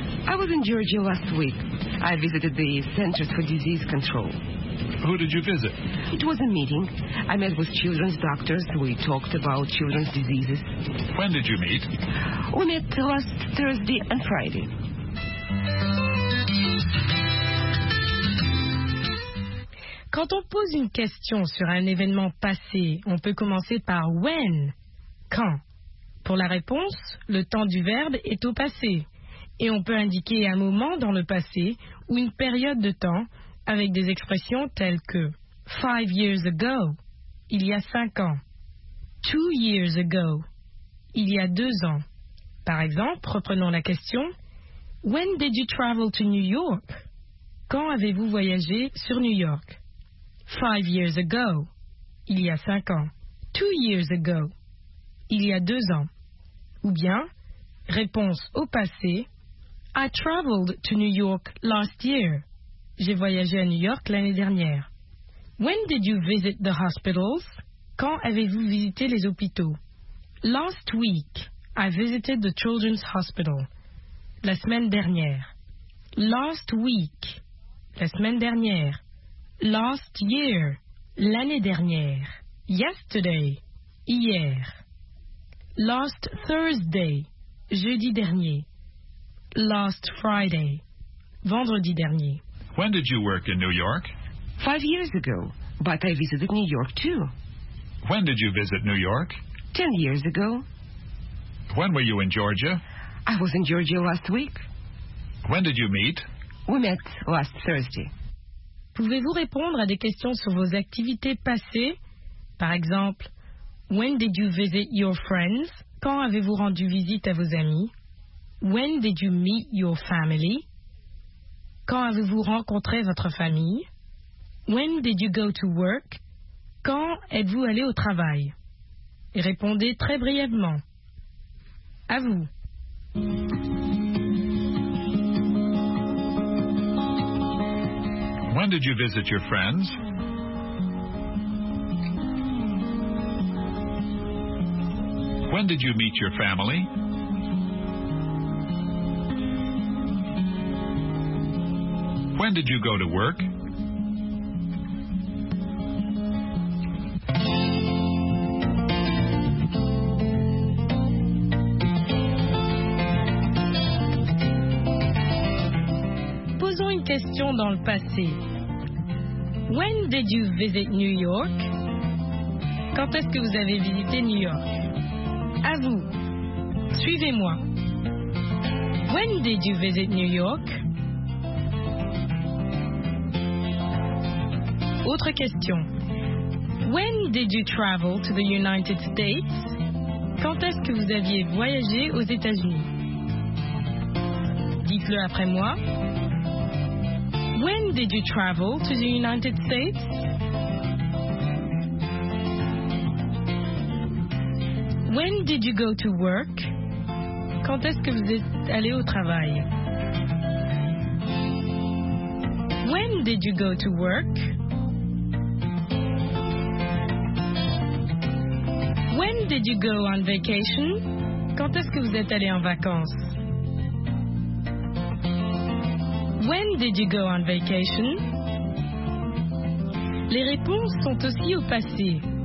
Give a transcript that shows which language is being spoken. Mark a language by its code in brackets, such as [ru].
[en] I was in Georgia last week. I visited the Centers for Disease Control. Who did you visit? It was a meeting. I met with children's doctors. We talked about children's diseases. When did you meet? We met last Thursday and Friday. [fr] Quand on pose une question sur un événement passé, on peut commencer par when, quand. Pour la réponse, le temps du verbe est au passé. Et on peut indiquer un moment dans le passé ou une période de temps avec des expressions telles que [en] 5 years ago, [fr] il y a 5 ans. [en] 2 years ago, [fr] il y a 2 ans. Par exemple, reprenons la question. [en] When did you travel to New York? [fr] Quand avez-vous voyagé sur New York? [en] 5 years ago, [fr] il y a 5 ans. [en] 2 years ago, [fr] il y a 2 ans. Ou bien, réponse au passé. [en] I traveled to New York last year. [fr] J'ai voyagé à New York l'année dernière. [en] When did you visit the hospitals? [fr] Quand avez-vous visité les hôpitaux? [en] Last week, I visited the children's hospital. [fr] La semaine dernière. [en] Last week. [fr] La semaine dernière. [en] Last year. [fr] L'année dernière. [en] Yesterday. [fr] Hier. [en] Last Thursday. [fr] Jeudi dernier. [en] Last Friday, [fr] vendredi dernier. [en] When did you work in New York? 5 years ago, but I visited New York too. When did you visit New York? 10 years ago. When were you in Georgia? I was in Georgia last week. When did you meet? We met last Thursday. [fr] Pouvez-vous répondre à des questions sur vos activités passées? Par exemple, [en] when did you visit your friends? [fr] Quand avez-vous rendu visite à vos amis? [en] When did you meet your family? [fr] Quand avez-vous rencontré votre famille? [en] When did you go to work? [fr] Quand êtes-vous allé au travail? Et répondez très brièvement. À vous. [en] When did you visit your friends? When did you meet your family? When did you go to work? [fr] Posons une question dans le passé. [en] When did you visit New York? [fr] Quand est-ce que vous avez visité New York? À vous. Suivez-moi. [en] When did you visit New York? [fr] Autre question. [en] When did you travel to the United States? [fr] Quand est-ce que vous aviez voyagé aux États-Unis? Dites-le après moi. [en] When did you travel to the United States? When did you go to work? [fr] Quand est-ce que vous êtes allé au travail? [en] When did you go to work? When did you go on vacation? [fr] Quand est-ce que vous êtes allé en vacances? [en] When did you go on vacation? [fr] Les réponses sont aussi au passé.